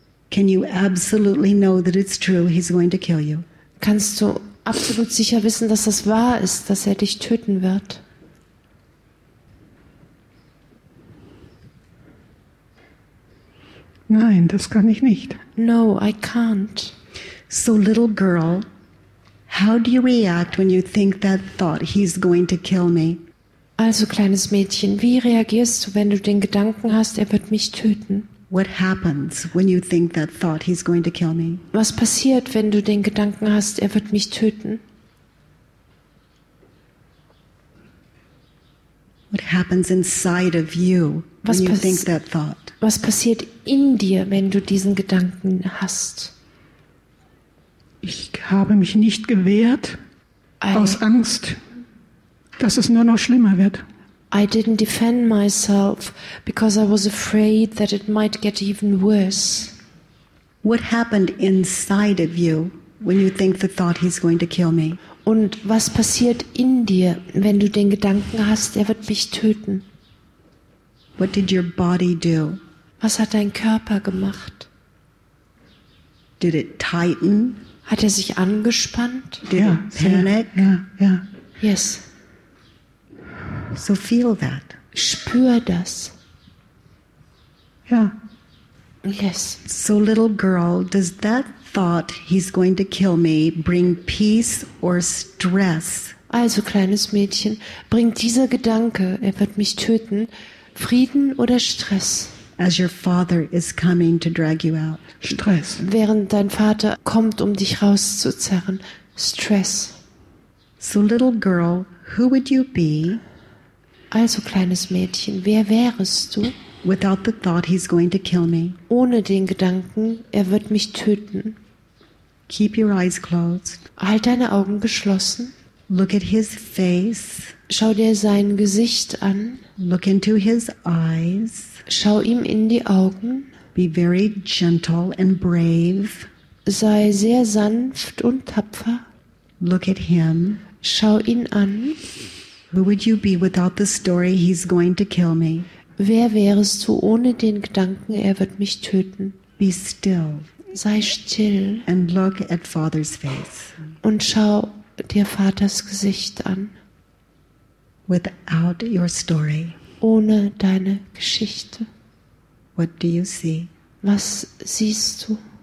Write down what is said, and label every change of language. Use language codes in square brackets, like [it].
[en] Can you absolutely know that it's true? He's going to kill you. [de] Kannst du absolut sicher wissen, dass das wahr ist, dass dich töten wird? Nein, das kann ich nicht. [en] No, I can't. So little girl, how do you react when you think that thought, he's going to kill me? [de] Also kleines Mädchen, wie reagierst du, wenn du den Gedanken hast, er wird mich töten? [en] What happens when you think that thought, he's going to kill me? [de] Was passiert, wenn du den Gedanken hast, er wird mich töten? [en] What happens inside of you when you think that thought? [de] Was passiert in dir, wenn du diesen Gedanken hast? Ich habe mich nicht gewehrt aus Angst, dass es nur noch schlimmer wird. [en] I didn't defend myself because I was afraid that it might get even worse. What happened inside of you when you think the thought he's going to kill me? [de] Und was passiert in dir, wenn du den Gedanken hast, er wird mich töten? [en] What did your body do? [de] Was hat dein Körper gemacht? [en] Did it tighten? [de] Hat sich angespannt? [en] Did it panic? Yeah. Yes. So feel that. [de] Spür das. [en] Yeah. Yes. So little girl, does that thought he's going to kill me bring peace or stress? [de] Also kleines Mädchen, bringt dieser Gedanke, er wird mich töten, Frieden oder Stress? [en] As your father is coming to drag you out. Stress. [de] Während dein Vater kommt, dich rauszuzerren. Stress. [en] So little girl, who would you be? [de] Also kleines Mädchen, wer wärest du? [en] Without the thought he's going to kill me. [de] Ohne den Gedanken, wird mich töten. [en] Keep your eyes closed. [de] Halt deine Augen geschlossen. [en] Look at his face. [de] Schau dir sein Gesicht an. [en] Look into his eyes. [de] Schau ihm in die Augen. [en] Be very gentle and brave. [de] Sei sehr sanft und tapfer. [en] Look at him. [de] Schau ihn an. [en] Who would you be without the story he's going to kill me? [de] Wer wärest du ohne den Gedanken, wird mich töten? [en] Be still. [de] Sei still. [en] And look at Father's face. [de] Und schau dir Vaters Gesicht an. [en] Without your story. [de] Ohne deine Geschichte. [en] What do you see? [de] Was siehst du?